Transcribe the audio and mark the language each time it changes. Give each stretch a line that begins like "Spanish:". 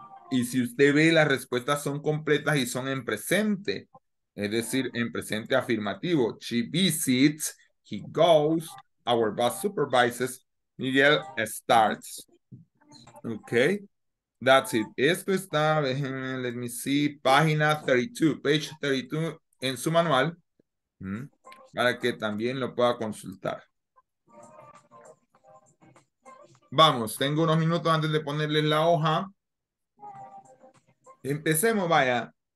Spanish: Y si usted ve, las respuestas son completas y son en presente. Es decir, en presente afirmativo.
English: She visits, he goes, our boss supervises, Miguel starts. Okay, that's it.
Spanish: Esto está, déjenme,
English: let me see,
Spanish: página 32,
English: page 32
Spanish: en su manual. Para que también lo pueda consultar. Vamos, tengo unos minutos antes de ponerle la hoja. Empecemos, vaya.